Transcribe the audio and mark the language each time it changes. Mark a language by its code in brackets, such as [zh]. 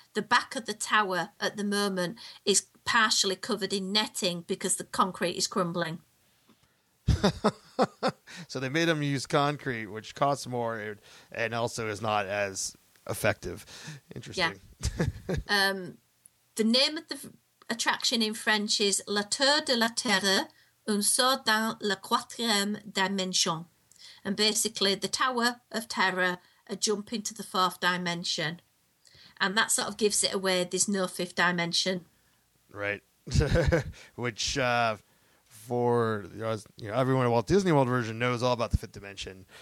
[en] The back of the tower at the moment is partially covered in netting because the concrete is crumbling. So they made them use concrete, which costs more and also is not as effective. Interesting. Yeah. The name of the attraction in French is La Tour de la Terre [fr] un saut dans la quatrième dimension. [en] And basically, the Tower of Terror, a jump into the fourth dimension. And that sort of gives it away. There's no fifth dimension. Right. Which, for you know, everyone in Walt Disney World version knows all about the fifth dimension.